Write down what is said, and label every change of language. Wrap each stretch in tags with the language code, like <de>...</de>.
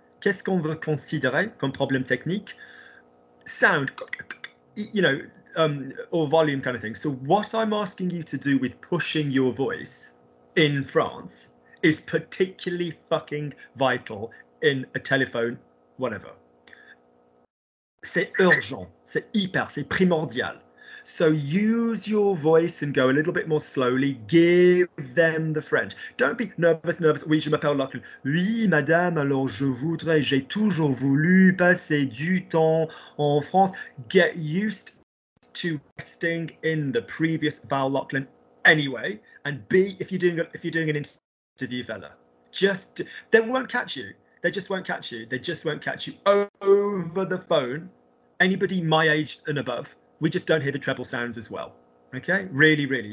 <fr>Qu'est-ce qu'on veut considérer comme problème technique?</fr> <en>Sound, you know, or volume kind of thing. So what I'm asking you to do with pushing your voice in France is particularly fucking vital in a telephone, whatever.</en> <fr>C'est urgent. C'est hyper. C'est primordial.</fr> <en>So use your voice and go a little bit more slowly. Give them the French. Don't be nervous.</en> <fr>Oui, je m'appelle Lachlan. Oui, madame, alors je voudrais, j'ai toujours voulu passer du temps en France.</fr> <en>Get used to resting in the previous vowel, Lachlan, anyway. And be, if you're doing an interview, fella, just, they won't catch you. They just won't catch you. They just won't catch you over the phone. Anybody my age and above, we just don't hear the treble sounds as well, okay? Really, really.</en>